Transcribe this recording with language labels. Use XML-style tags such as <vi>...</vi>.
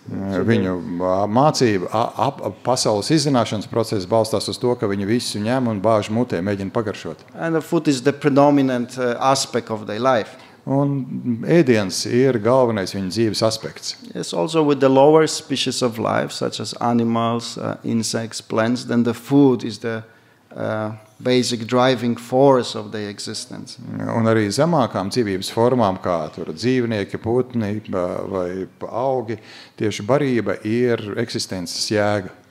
<lv>Viņu mācība, pasaules izzināšanas process balstās uz to, ka viņi visu ņem un bāž mutē, mēģina pagaršot.</lv> <en>And the food is the predominant aspect of their life.</en> <lv>Un ēdiens ir galvenais viņa dzīves aspekts.</lv> <en>Yes, also with the lower species of life, such as animals, insects, plants, then the food is the basic driving force of their existence.</en> <lv>Un arī zemākām dzīvības formām, kā tur dzīvnieki, putni vai augi, tieši barība ir eksistences jēga.</lv>